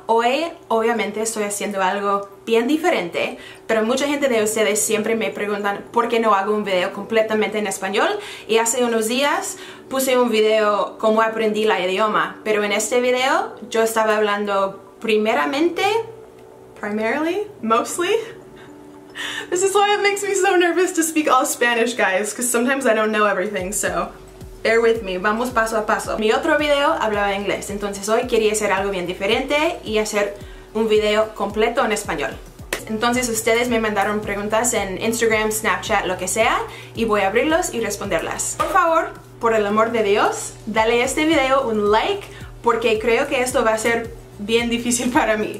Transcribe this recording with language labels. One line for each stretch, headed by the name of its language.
Spanish: Hoy, obviamente, estoy haciendo algo bien diferente, pero mucha gente de ustedes siempre me preguntan por qué no hago un video completamente en español. Y hace unos días puse un video cómo aprendí el idioma, pero en este video yo estaba hablando primeramente,
English: primarily, mostly. This is why it makes me so nervous to speak all Spanish, guys, because sometimes I don't know everything, so bear with me.
Spanish: Vamos paso a paso. Mi otro video hablaba inglés, entonces hoy quería hacer algo bien diferente y hacer un video completo en español. Entonces ustedes me mandaron preguntas en Instagram, Snapchat, lo que sea, y voy a abrirlos y responderlas. Por favor, por el amor de Dios, dale a este video un like, porque creo que esto va a ser bien difícil para mí.